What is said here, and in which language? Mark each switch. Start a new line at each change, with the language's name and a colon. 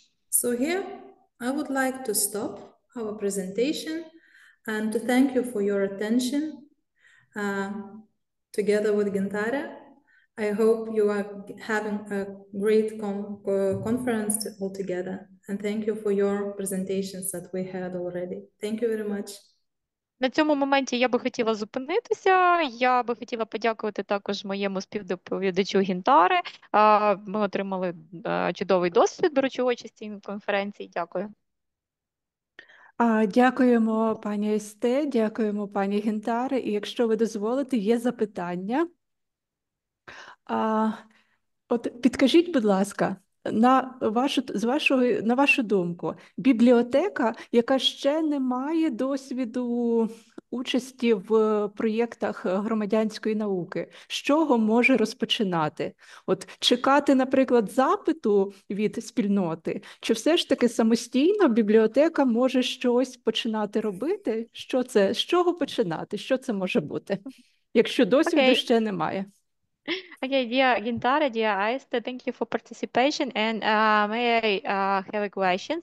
English: So here I would like to stop our presentation and to thank you for your attention together with Gintare. I hope you are having a great conference all together, and thank you for your presentations that we had already. Thank you very much.
Ukrainian: На цьому моменті я би хотіла зупинитися. Я би хотіла подякувати також моєму співдоповідачу Гінтаре. Ми отримали чудовий досвід, беручи участь в конференції. Дякую. Дякуємо, пані Есте, дякуємо, пані Гінтаре. І якщо ви дозволите, є запитання. От підкажіть, будь ласка, на вашу думку, бібліотека, яка ще не має досвіду участі в проєктах громадянської науки, з чого може розпочинати? От чекати, наприклад, запиту від спільноти, чи все ж таки самостійно бібліотека може щось починати робити? З чого починати? Що це може бути, якщо досвіду
English: Okay.
Ukrainian: ще немає?
English: Okay, dear Gintare, dear Aiste, thank you for participation, and may I have a question?